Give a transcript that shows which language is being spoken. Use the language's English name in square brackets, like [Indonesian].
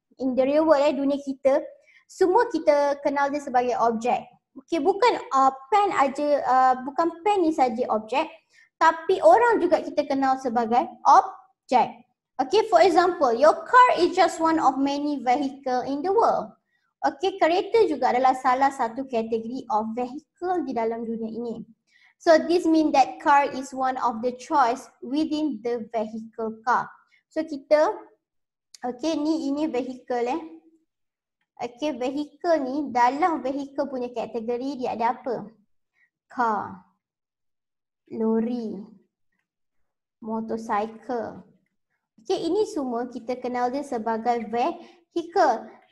[English] In the real world, [Malay] dunia kita, semua kita kenal dia sebagai objek. Okay, bukan pen aja, bukan pen ni saja objek, tapi orang juga kita kenal sebagai objek. [English] Okay, for example, your car is just one of many vehicle in the world. [Malay] Okay, kereta juga adalah salah satu kategori of vehicle di dalam dunia ini. [English] So, this means that car is one of the choice within the vehicle car. [Malay] So, kita, okay, ini vehicle eh. Okay, vehicle ni, dalam vehicle punya kategori dia ada apa? Car, lori, motorcycle. Okay, ini semua kita kenal dia sebagai vehicle.